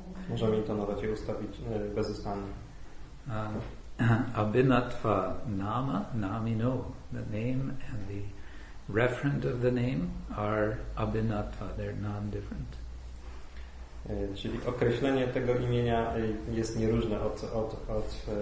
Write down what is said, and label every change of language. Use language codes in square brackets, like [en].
[pl] Możemy intonować i ustawić bezustannie. [sa] Abhinatva nama, namino. [en] The name and the referent of the name are abhinatva, they're non-different. [pl] Czyli określenie tego imienia jest nieróżne od